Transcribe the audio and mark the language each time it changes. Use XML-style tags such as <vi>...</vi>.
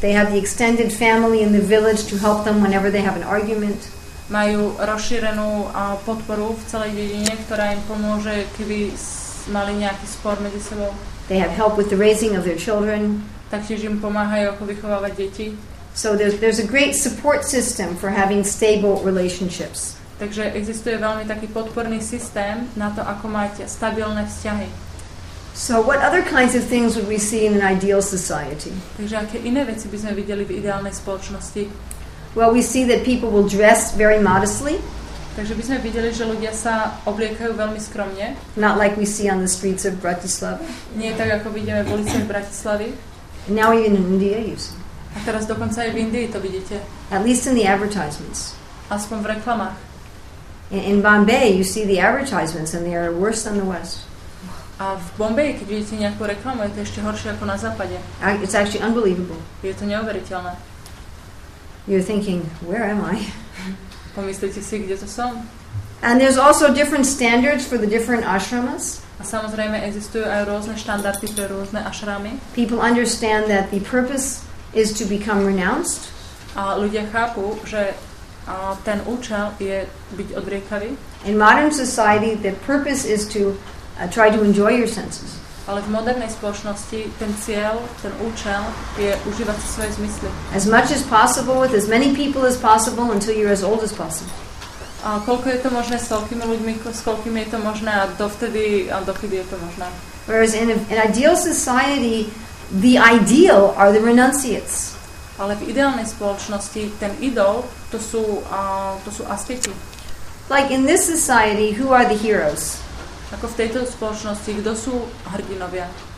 <en>They have the extended family in the village to help them whenever they have an argument.</en> <sk>Majú rozšírenú podporu v celej dedine, ktorá im pomôže, keby mali nejaký spor medzi sebou.</sk> <en>They have help with the raising of their children.</en> <sk>Taktiež im pomáhajú ako vychovávať deti.</sk> <en>So there's a great support system for having stable relationships.</en> <sk>Takže existuje veľmi taký podporný systém na to, ako mať stabilné vzťahy.</sk> <en>So what other kinds of things would we see in an ideal society?</en> <sk>Takže aké iné veci by sme videli v ideálnej spoločnosti?</sk> <en>Well, we see that people will dress very modestly.</en> <sk>Takže by sme videli, že ľudia sa obliekajú veľmi skromne.</sk> <en>Not like we see on the streets of Bratislava.</en> <sk>Nie tak, ako vidíme v uliciach Bratislavy.</sk> <en>Now even in India you see.</en> <sk>A teraz dokonca aj v Indii to vidíte.</sk> <en>At least in the advertisements.</en> <sk>Aspoň v reklamách.</sk> <en>In Bombay you see the advertisements and they are worse than the West.</en> <sk>A v Bombaji, keď vidíte nejakú reklamu, je to ešte horšie ako na západe.</sk> <en>It's actually unbelievable.</en> <sk>Je to neuveriteľné.</sk> <en>You're thinking, where am I?</en> <sk>Pomyslíte si, kde to som?</sk> <en>And there's also different standards for the different ashramas.</en> <sk>A samozrejme existujú aj rôzne štandardy pre rôzne ashramy.</sk> <en>People understand that the purpose is to become renounced.</en> <sk>A ľudia chápu, že ten účel je byť odriekavý.</sk> <en>In modern society, the purpose is to try to enjoy your senses.</en> <sk>Ale v modernej spoločnosti ten cieľ, ten účel je užívať si svoje zmysly.</sk> <en>As much as possible with as many people as possible until you're as old as possible.</en> <sk>A koľko je to možné s toľkými ľuďmi, s koľkými je to možné a dovtedy, a dokedy je to možné.</sk> <en>Whereas in ideal society, the ideal are the renunciates.</en> <sk>Ale v ideálnej spoločnosti ten idol, to sú asketi.</sk> <en>Like in this society, who are the heroes?</en> <sk>Ako v tejto spoločnosti, kto sú hrdinovia?</sk>